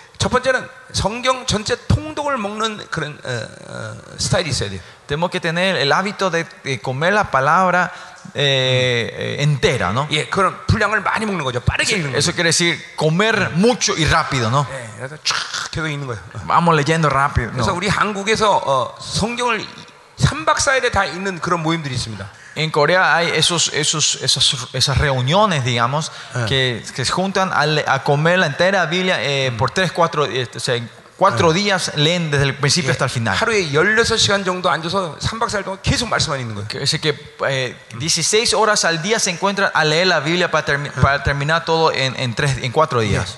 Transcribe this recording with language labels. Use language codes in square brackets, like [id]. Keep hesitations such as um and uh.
[ko] 첫 번째는 성경 전체 통독을 먹는 그런 어, 어, 스타일이 있어야 돼요. [es] Tenemos que tener el hábito de comer la palabra eh, entera, ¿no? [ko] 예, 그런 분량을 많이 먹는 거죠. 빠르게 읽는 거죠. [es] Eso quiere decir comer mucho y rápido, ¿no? [ko] 예, 그래서 계속 읽는 거예요. [es] Vamos leyendo rápido. 그래서 no. [ko] 우리 한국에서 어, 성경을 3박 4일에 다 읽는 그런 모임들이 있습니다. [es] En Corea hay esos, esos, esos, esas, reuniones, digamos, que, se juntan a, comer la entera Biblia eh, por tres, 4 eh, o sea, cuatro uh. días leen desde el principio okay. hasta el final. 앉아서, que, es so que, eh, 16 horas al día se encuentran a leer la Biblia para, termi, para terminar todo en, en cuatro días.